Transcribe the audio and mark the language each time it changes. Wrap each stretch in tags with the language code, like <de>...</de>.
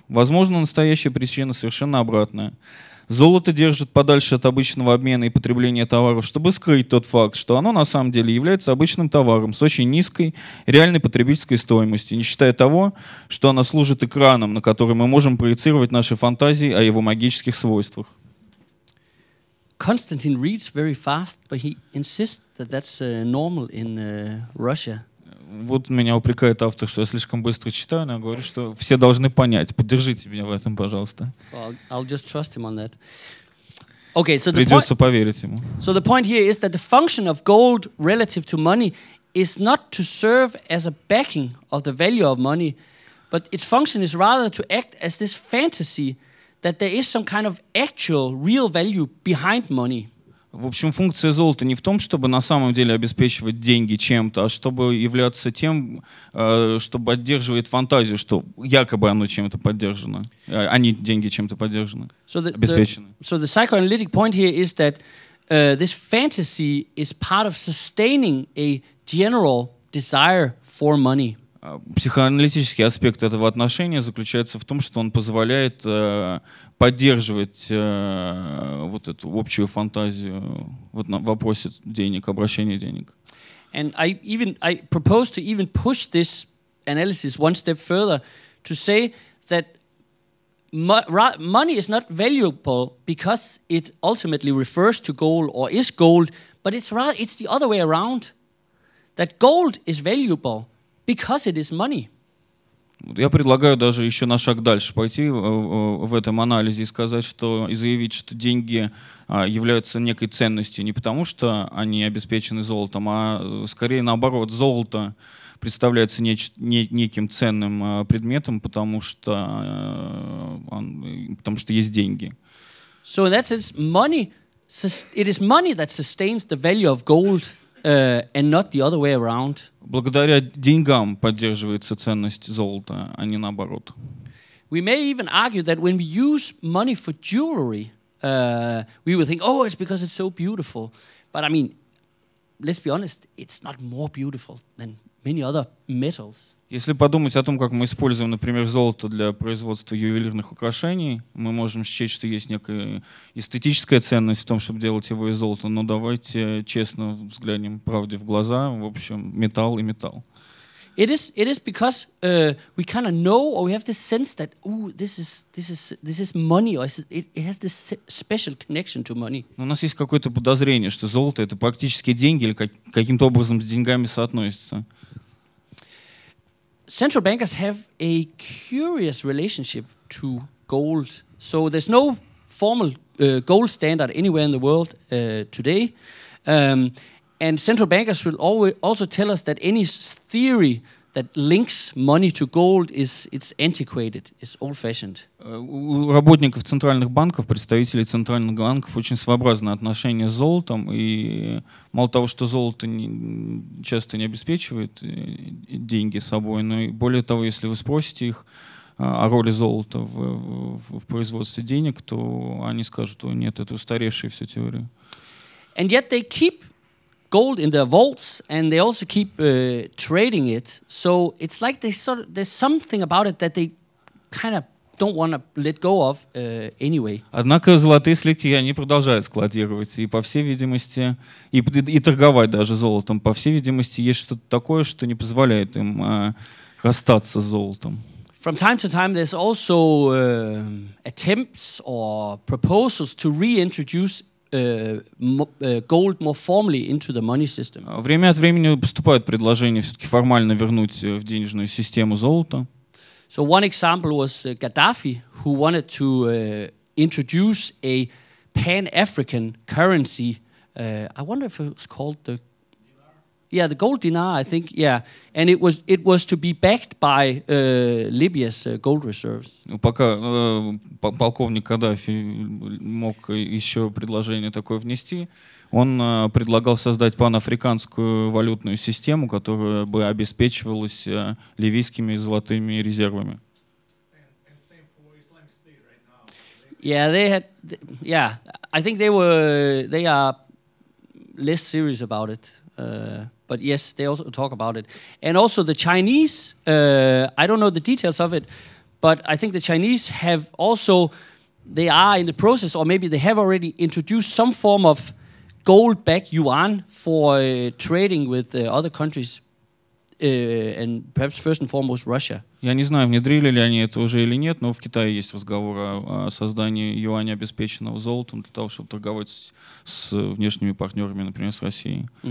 <ru>Возможно, настоящая причина совершенно обратная. Золото держат подальше от обычного обмена и потребления товаров, чтобы скрыть тот факт, что оно на самом деле является обычным товаром с очень низкой реальной потребительской стоимостью, не считая того, что оно служит экраном, на который мы можем проецировать наши фантазии о его магических свойствах.</ru> <en>Константин reads very fast, but he insists that that's normal in Russia.</en> <ru>Вот меня упрекает автор, что я слишком быстро читаю, но я говорю, что все должны понять. Поддержите меня в этом, пожалуйста.</ru> <en>So I'll just trust him on that. Okay, so</en> <ru>придется</ru> <en>the</en> <ru>поверить ему.</ru> <en>So the point here is that the function of gold relative to money is not to serve as a backing of the value of money, but its function is rather to act as this fantasy that there is some kind of actual real value behind money.</en> <ru>В общем, функция золота не в том, чтобы на самом деле обеспечивать деньги чем-то, а чтобы являться тем, чтобы поддерживает фантазию, что якобы оно чем-то поддержано, а не деньги чем-то поддержаны, обеспечены.</ru> <en>So the psychoanalytic point here is that this fantasy is part of sustaining a general desire for money.</en> <ru>Психоаналитический аспект этого отношения заключается в том, что он позволяет поддерживать вот эту общую фантазию вот на вопросе денег, обращения денег.</ru> <en>And I propose to even push this analysis one step further to say that money is not valuable because it ultimately refers to gold or is gold, but it's the other way around. That gold is valuable because it is money.</en> <ru>Я предлагаю даже еще на шаг дальше пойти в этом анализе и сказать, что и заявить, что деньги являются некой ценностью не потому, что они обеспечены золотом, а скорее наоборот, золото представляется неким ценным предметом, потому что есть деньги.</ru> <en>So in that sense, it is money that sustains the value of gold. And not the other way around.</en> <ru>Благодаря деньгам поддерживается ценность золота, а не наоборот.</ru> <en>We may even argue that when we use money for jewelry, we would think, oh, it's because it's so beautiful. But I mean, let's be honest, it's not more beautiful than many other metals.</en> <ru>Если подумать о том, как мы используем, например, золото для производства ювелирных украшений, мы можем счесть, что есть некая эстетическая ценность в том, чтобы делать его из золота, но давайте честно взглянем правде в глаза, в общем, металл и металл.</ru> <en>It is because we kind of know or we have this sense that this is money or it has this special connection to money.</en> <ru>У нас есть какое-то подозрение, что золото это практически деньги или каким-то образом с деньгами соотносится.</ru> <en>Central bankers have a curious relationship to gold. So there's no formal gold standard anywhere in the world today. And central bankers will always also tell us that any theory that links money to gold is antiquated, is old-fashioned.</en> <ru>У работников центральных банков, представителей центральных банков очень своеобразное отношение с золотом, и мало того, что золото часто не обеспечивает деньги собой, но и более того, если вы спросите их о роли золота в производстве денег, то они скажут, что нет, это устаревшая вся теория.</ru> <en>And yet they keep gold in their vaults, and they also keep trading it. So it's like there's something about it that they kind of don't want to let go of anyway.</en> <ru>Однако золотые слитки они продолжают складировать и по всей видимости и торговать даже золотом. По всей видимости есть что-то такое, что не позволяет им расстаться с золотом.</ru> <en>From time to time, there's also attempts or proposals to reintroduce gold more formally into the money system.</en> <ru>Время от времени поступают предложения все-таки формально вернуть в денежную систему золото.</ru> <en>So one example was Gaddafi, who wanted to introduce a pan-African currency. I wonder if it was called the Yeah, the gold dinar, I think, yeah. And it was to be backed by Libya's gold reserves.</en> <ru>Пока полковник Каддафи мог еще предложение такое внести, он предлагал создать панафриканскую валютную систему, которая бы обеспечивалась ливийскими золотыми резервами.</ru> <en>Yeah, I think they are less serious about it. But yes, they also talk about it. And also the Chinese, I don't know the details of it, but I think the Chinese have also, they are in the process, or maybe they have already introduced some form of gold-backed yuan for trading with other countries, and perhaps first and foremost Russia.</en> <ru>Я не знаю, внедрили ли они это уже или нет, но в Китае есть разговор о создании юаня, обеспеченного золотом, для того, чтобы торговать с внешними партнерами, например, с Россией.</ru>